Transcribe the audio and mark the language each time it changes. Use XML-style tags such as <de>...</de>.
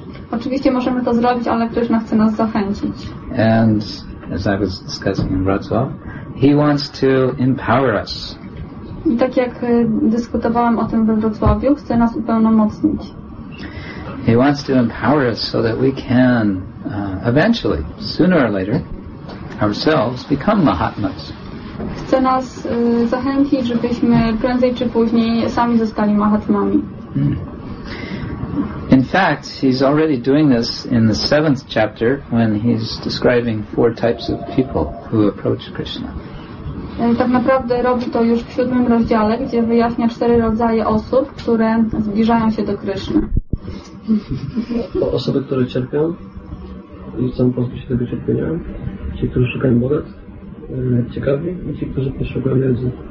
<pl>Oczywiście możemy to zrobić, ale Krishna chce nas zachęcić.</pl> <en>And as I was discussing in Bratislava, he wants to empower us.</en> <pl>I tak jak dyskutowałem o tym we Wrocławiu, chce nas upełnomocnić.</pl> <en>He wants to empower us so that we can eventually, sooner or later, ourselves become Mahatmas.</en> <pl>Chce nas zachęcić, żebyśmy prędzej czy później sami zostali Mahatmami.</pl> <en>In fact, he's already doing this in the 7th chapter when he's describing 4 types of people who approach Krishna.</en> <pl>Tak naprawdę robi to już w 7 rozdziale, gdzie wyjaśnia 4 rodzaje osób, które zbliżają się do Kryszny. Osoby, które cierpią i chcą pozbyć się tego cierpienia, ci, którzy szukają bogactw, ciekawi i ci, którzy poszukują wiedzy.</pl>